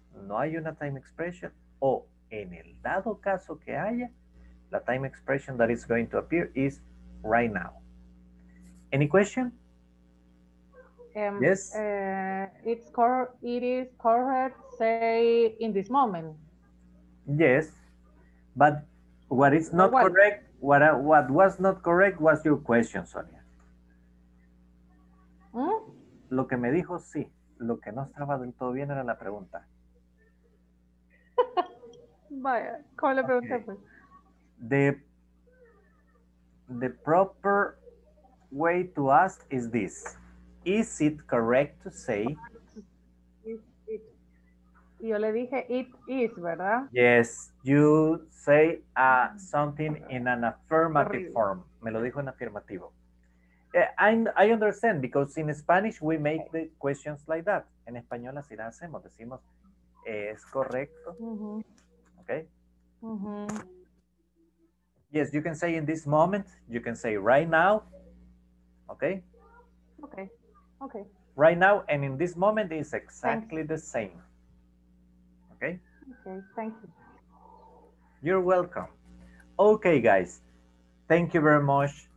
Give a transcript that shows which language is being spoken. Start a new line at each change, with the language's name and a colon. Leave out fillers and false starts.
Spanish: No hay una
English: time expression,
Spanish: o en el dado caso que haya, la
English: time expression that is going to appear is right now. Any question? Yes. It is correct say in this moment. Yes, but what is not what? Correct? What was not correct was your question, Sonia.
Spanish: Lo que me dijo sí. Lo que no estaba del todo bien era la pregunta. Vaya, ¿cómo le pregunté? Okay. Pues?
English: The proper way to ask is this. Is it correct to say?
Spanish: Yo le dije
English: it is,
Spanish: ¿verdad?
English: Yes, you say something in an affirmative form.
Spanish: Me lo dijo en afirmativo.
English: I understand, because in Spanish we make the questions like that.
Spanish: En español así la hacemos, decimos, ¿es correcto? Mm-hmm.
English: Okay. Mm-hmm. Yes, you can say in this moment, you can say right now, okay? Okay. Okay. Right now and in this moment is exactly the same. Okay? Okay, thank you. You're welcome. Okay, guys. Thank you very much.